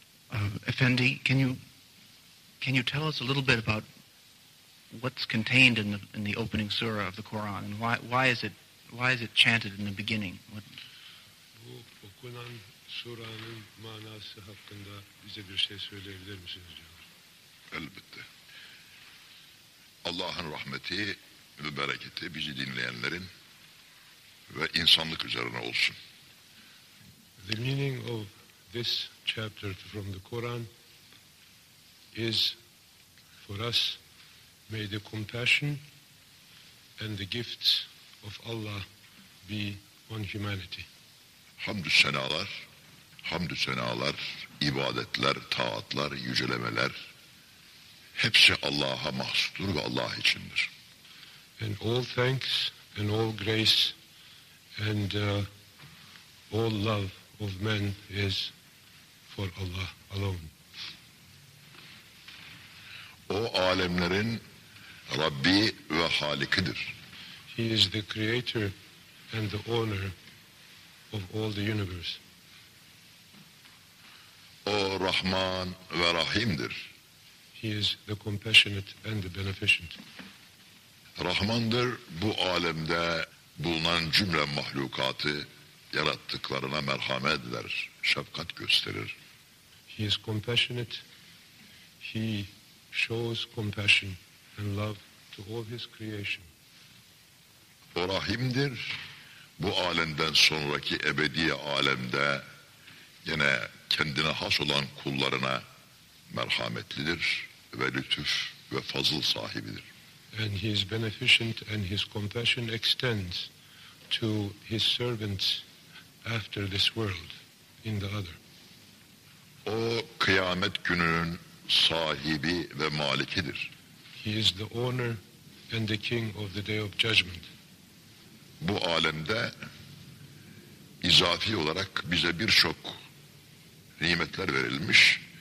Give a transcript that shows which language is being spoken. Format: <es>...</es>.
<en>Efendi, can you tell us a little bit about what's contained in the opening surah of the Quran, and why is it chanted in the beginning?</en> <tr>Bu okunan surenin manası hakkında bize bir şey söyleyebilir misiniz diyor. Elbette. Allah'ın rahmeti ve bereketi bizi dinleyenlerin ve insanlık üzerine olsun.</tr> <en>The meaning of this chapter from the Quran is for us, may the compassion and the gifts of Allah be on humanity.</en> <tr>Hamdü senalar, hamdü senalar, ibadetler, taatlar, yücelemeler, hepsi Allah'a mahsustur ve Allah içindir.</tr> <en>And all thanks and all grace and all love of men is for Allah alone.</en> <tr>O alemlerin Rabbi ve Halikidir.</tr> <en>He is the creator and the owner of all the universe.</en> <tr>O Rahman ve Rahim'dir.</tr> <en>He is the compassionate and the beneficent.</en> <tr>Rahmandır bu alemde bulunan cümle mahlukatı, yarattıklarına merhamet eder, şefkat gösterir.</tr> <en>He is compassionate. He shows compassion and love to all his creation.</en> <tr>O Rahim'dir. Bu alemden sonraki ebedi alemde yine kendine has olan kullarına merhametlidir ve lütuf ve fazıl sahibidir.</tr> <en>And he is beneficent and his compassion extends to his servants after this world in the other.</en> <tr>O kıyamet gününün sahibi ve malikidir.</tr> <en>He is the owner and the king of the day of judgment.</en> <tr>Bu alemde izafi olarak bize birçok nimetler verilmiş.</tr>